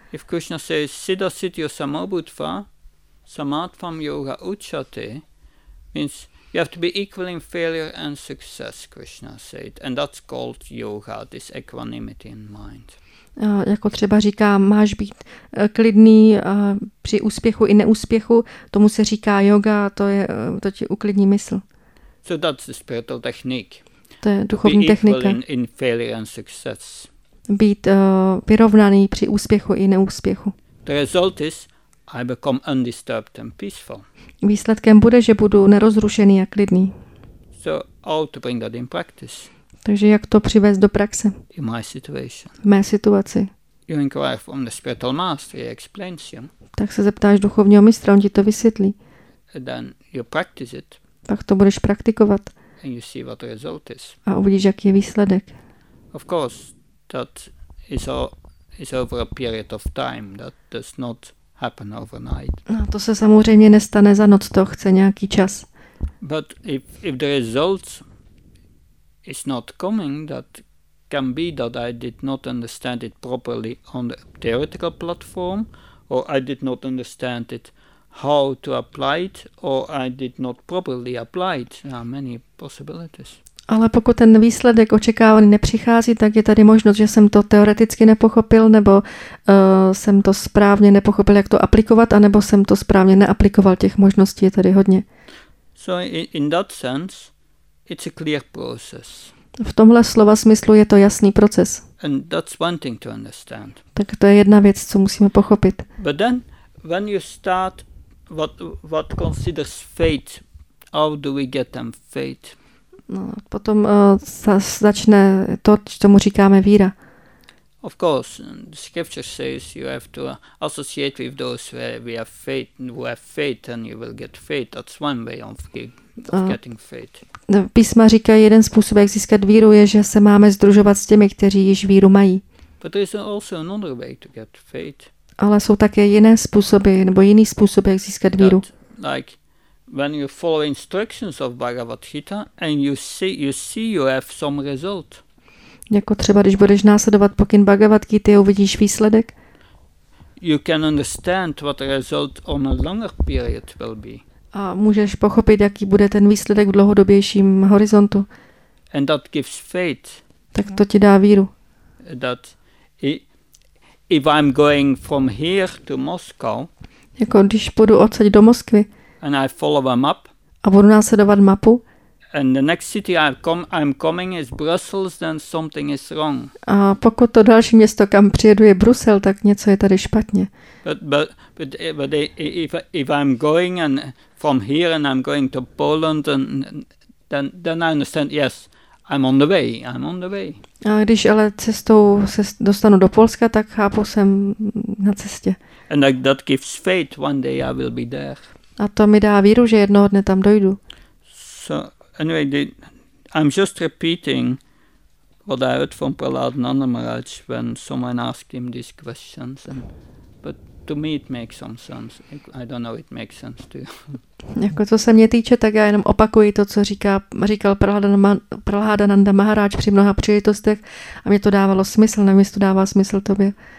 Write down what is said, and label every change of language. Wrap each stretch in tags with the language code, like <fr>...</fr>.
<en>If Krishna says</en> <sa>siddha siddhyo samabhutva samadvam yoga uchate,</sa> <en>means you have to be equal in failure and success, Krishna said, and that's called yoga, this equanimity in mind.</en> <cs>Jako třeba říká, máš být klidný při úspěchu i neúspěchu, tomu se říká yoga, to ti uklidní mysl.</cs> <en>So that's the spiritual technique.</en> <cs>To je duchovní technika.</cs> <en>In failure and success.</en> <cs>být vyrovnaný při úspěchu i neúspěchu.</cs> <en>The result is I become undisturbed and peaceful.</en> <cs>Výsledkem bude, že budu nerozrušený a klidný.</cs> <en>So how to bring that in practice?</en> <cs>Takže jak to přivést do praxe?</cs> <en>In my situation.</en> <cs>V mé situaci.</cs> <en>You inquire from the spiritual master, he explains you.</en> <cs>Tak se zeptáš duchovního mistra, on ti to vysvětlí.</cs> <en>And then you practice it.</en> <cs>Tak to budeš praktikovat.</cs> <en>And you see what the result is.</en> <cs>A uvidíš, jaký je výsledek.</cs> <en>Of course, that is all is over a period of time. That does not happen overnight.</en> <cs>No, to se samozřejmě nestane za noc, to chce nějaký čas.</cs> <en>But if the result is not coming, that can be that I did not understand it properly on the theoretical platform, or I did not understand it how to apply it, or I did not properly apply it. There are many possibilities.</en> <cs>Ale pokud ten výsledek očekávaný nepřichází, tak je tady možnost, že jsem to teoreticky nepochopil, nebo jsem to správně nepochopil, jak to aplikovat, anebo jsem to správně neaplikoval. Těch možností je tady hodně.</cs> <en>So in that sense, it's a clear process.</en> <cs>V tomhle slova smyslu je to jasný proces.</cs> <en>And that's one thing to understand.</en> <cs>Tak to je jedna věc, co musíme pochopit.</cs> <en>But then, when you start what considers fate, how do we get them fate?</en> <cs>No, potom začne to, čemu říkáme víra.</cs> <en>Of course, scripture says you have to associate with those where we have faith, who have faith, and you will get faith. That's one way of getting faith.</en> <cs>Písma říká, jeden způsob, jak získat víru, je, že se máme sdružovat s těmi, kteří již víru mají.</cs> <en>But there is also another way to get faith.</en> <cs>Ale jsou také jiné způsoby, nebo jiný způsob, jak získat víru.</cs> <en>When you follow instructions of Bhagavad Gita and you see you have some result.</en> <cs>Jako třeba, když budeš následovat pokyn Bhagavad Gita, uvidíš výsledek.</cs> <en>You can understand what the result on a longer period will be.</en> <cs>A můžeš pochopit, jaký bude ten výsledek v dlouhodobějším horizontu.</cs> <en>And that gives faith.</en> <cs>Tak to ti dá víru.</cs> <en>That if I'm going from here to Moscow.</en> <cs>Jako když půjdu odsaď do Moskvy.</cs> <en>And I follow a map.</en> <cs>A budu následovat mapu.</cs> <en>And the next city I'm coming is Brussels, then something is wrong.</en> <cs>A pokud to další město, kam přijedu, je Brusel, tak něco je tady špatně.</cs> <en>But if I'm going and from here and I'm going to Poland, and then I understand, yes, I'm on the way.</en> <cs>A když ale cestou se dostanu do Polska, tak chápu, jsem na cestě.</cs> <en>And that gives faith, one day I will be there.</en> <cs>A to mi dá víru, že jednoho dne tam dojdu.</cs> <en>So anyway, I'm just repeating what I heard from Prahlad Nanda Maharaj when someone asked him these questions. But to me it makes some sense. I don't know if it makes sense to you.</en> <cs>Jako co se mě týče, tak já jenom opakuji to, co říkal Prahlad Nanda Maharaj při mnoha příležitostech a mě to dávalo smysl, nevím, jestli to dává smysl tobě.</cs>